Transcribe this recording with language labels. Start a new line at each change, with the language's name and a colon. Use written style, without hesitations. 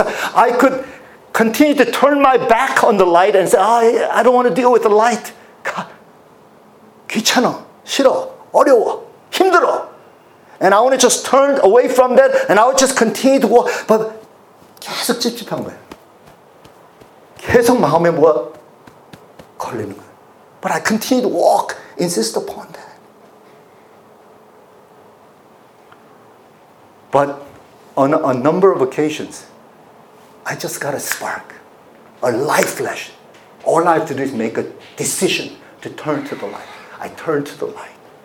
English: I could continue to turn my back on the light and say, I don't want to deal with the light.
Korean: 귀찮아, 싫어, 어려워. 힘들어.
English: And I want to just turn away from that and I would just continue to walk.
Korean: But 계속 찝찝한 거야. 계속 마음에 뭐가 걸리는 거야.
English: But I continue to walk, insist upon that. But on a number of occasions, I just got a spark, a light flash. All I have to do is make a decision to turn to the light. I turn to the light.